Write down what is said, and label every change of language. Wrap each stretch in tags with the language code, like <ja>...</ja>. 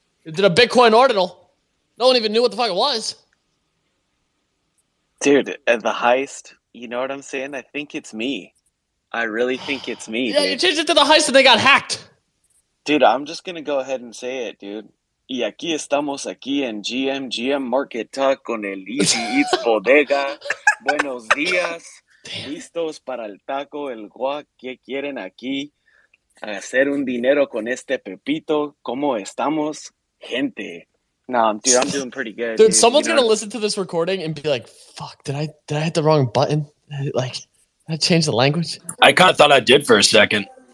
<en>You did a Bitcoin ordinal. No one even knew what the fuck it was. Dude, at the heist, you know what I'm saying? I think it's me. I really think it's me. Yeah, dude. You changed it to the heist and they got hacked. Dude, I'm just going to go ahead and say it, dude.</en> <es>Y aquí estamos aquí en GMGM Market Talk con el Easy Eats Bodega. Buenos días. Listos para el taco, el guac. ¿Qué quieren aquí? Hacer un dinero con este pepito. ¿Cómo estamos, gente?</es> <en>No, dude, I'm doing pretty good. Dude, someone's going to listen to this recording and be like, fuck, did I hit the wrong button? Like, did I change the language? I kind of thought I did for a second.</en>